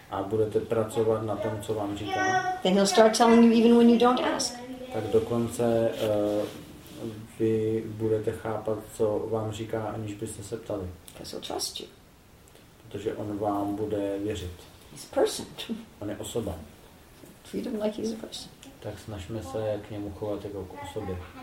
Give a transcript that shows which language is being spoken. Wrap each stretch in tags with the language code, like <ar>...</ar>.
<cs>a budete pracovat na tom, co vám říká,</cs> <en>then he'll start telling you even when you don't ask.</en> <cs>Tak dokonce vy budete chápat, co vám říká, aniž byste se ptali.</cs> <en>Because he'll trust you.</en> <cs>Protože on vám bude věřit.</cs> <en>He's a person.</en> <cs>On je osoba.</cs> <en>Treat him like he's a person.</en> <cs>Tak snažme se k němu chovat jako k osobě.</cs>